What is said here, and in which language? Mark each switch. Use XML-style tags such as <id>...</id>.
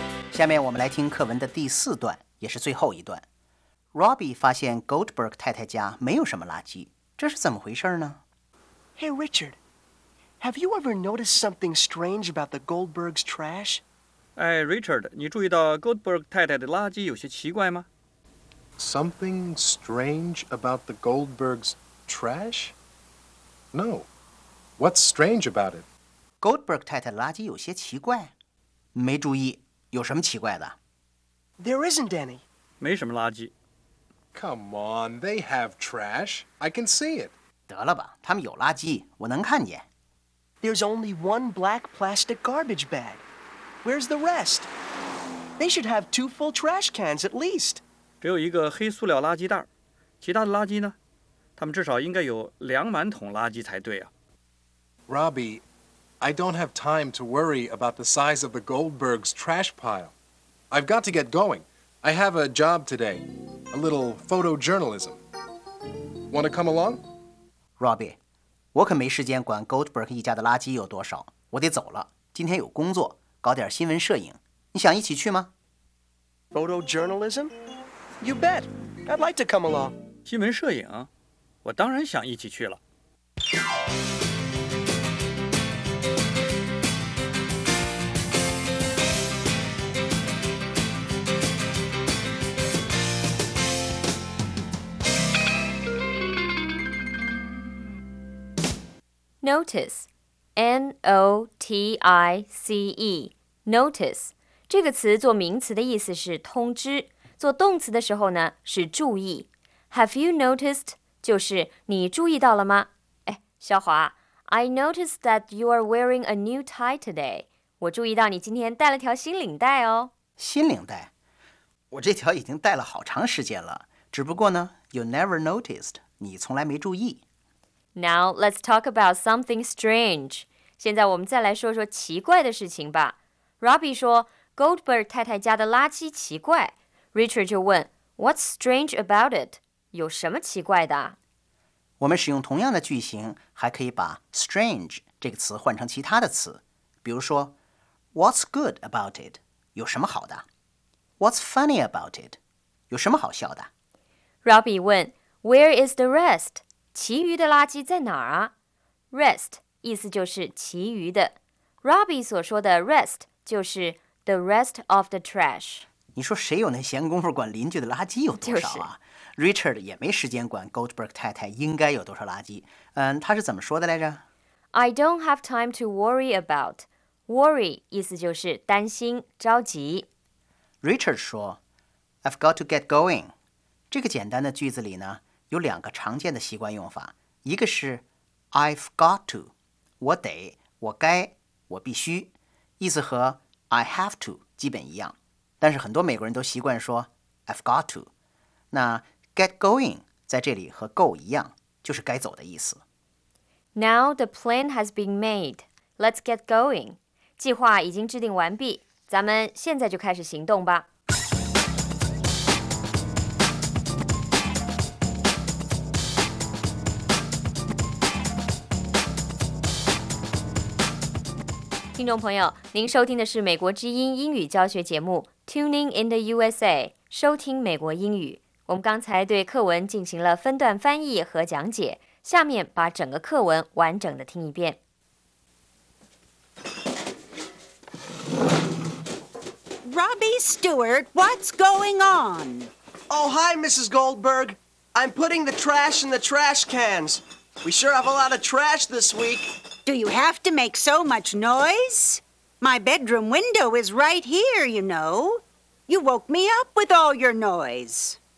<zh>下面我们来听课文的第四段，也是最后一段。Robbie 发现 Goldberg 太太家没有什么垃圾，这是怎么回事呢？</zh> <en>Hey Richard, have you ever noticed something strange about the Goldberg's trash?</en> <zh>哎 Richard, 你注意到 Goldberg 太太的垃圾有些奇怪吗？</zh> <en>Something strange about the Goldberg's trash? No, what's strange about it?</en> <zh>Goldberg 太太的垃圾有些奇怪，没注意，有什么奇怪的？</zh> <en>There isn't any.</en> <zh>没什么垃圾。</zh> <en>Come on, they have trash. I can see it.</en> <zh>得了吧，他们有垃圾，我能看见。</zh> <en>There's only one black plastic garbage bag. Where's the rest? They should have two full trash cans at least.</en> <zh>只有一个黑塑料垃圾袋，其他的垃圾呢？他们至少应该有两满桶垃圾才对啊。</zh> <en>Robbie,I don't have time to worry about the size of the Goldberg's trash pile. I've got to get going. I have a job today, a little photojournalism. Want to come along?</en> <zh>Robbie, 我可没时间管 Goldberg 一家的垃圾有多少，我得走了。今天有工作，搞点新闻摄影。你想一起去吗？</zh> <en>Photojournalism? You bet. I'd like to come along.</en> <zh>新闻摄影？我当然想一起去了。</zh> <en>Notice, N-O-T-I-C-E, notice.</en> <zh>这个词做名词的意思是通知，做动词的时候呢是注意。</zh> <en>Have you noticed?</en> <zh>就是你注意到了吗？</zh> <en>哎，肖华 ，I noticed that you are wearing a new tie today.</en> <zh>我注意到你今天戴了条新领带哦。新领带？我这条已经戴了好长时间了，只不过呢 ，</zh> <en>you never noticed.</en> <zh>你从来没注意。</zh> <en>Now, let's talk about something strange.</en> <zh>现在我们再来说说奇怪的事情吧。Robbie 说 Goldberg 太太家的垃圾奇怪。</zh> <en>Richard</en> <zh>就问</zh> <en>What's strange about it?</en> <zh>有什么奇怪的？我们使用同样的句型，还可以把 strange 这个词换成其他的词。比如说</zh> <en>What's good about it?</en> <zh>有什么好的？</zh> <en>What's funny about it?</en> <zh>有什么好笑的？</zh> <en>Robbie</en> <zh>问</zh> <en>Where is the rest?</en> <zh>其余的垃圾在哪儿啊？ Rest 意思就是其余的。 Robbie 所说的 rest 就是</zh> <en>the rest of the trash。</en> <zh>你说谁有那闲工夫管邻居的垃圾有多少啊？就是。 Richard 也没时间管 Goldberg 太太应该有多少垃圾。他是怎么说的来着？</zh> <en>I don't have time to worry about.</en> <zh>Worry 意思就是担心着急。</zh> <en>Richard</en> <zh>说</zh> <en>I've got to get going.</en> <zh>这个简单的句子里呢有两个常见的习惯用法，一个是 I've got to， 我得，我该，我必须，意思和 I have to 基本一样，但是很多美国人都习惯说 I've got to。那 get going 在这里和 go 一样，就是该走的意思。</zh> <en>Now the plan has been made. Let's get going.</en> <zh>计划已经制定完毕，咱们现在就开始行动吧。听众朋友，您收听的是美国之音英语教学节目 Tuning in the USA， 收听美国英语。我们刚才对课文进行了分段翻译和讲解，下面把整个课文完整的听一遍。</zh> <en>Robbie Stewart, what's going on? Oh, hi, Mrs. Goldberg. I'm putting the trash in the trash cans. We sure have a lot of trash this week. Do you have to make so much noise? My bedroom window is right here, you know. You woke me up with all your noise.</en>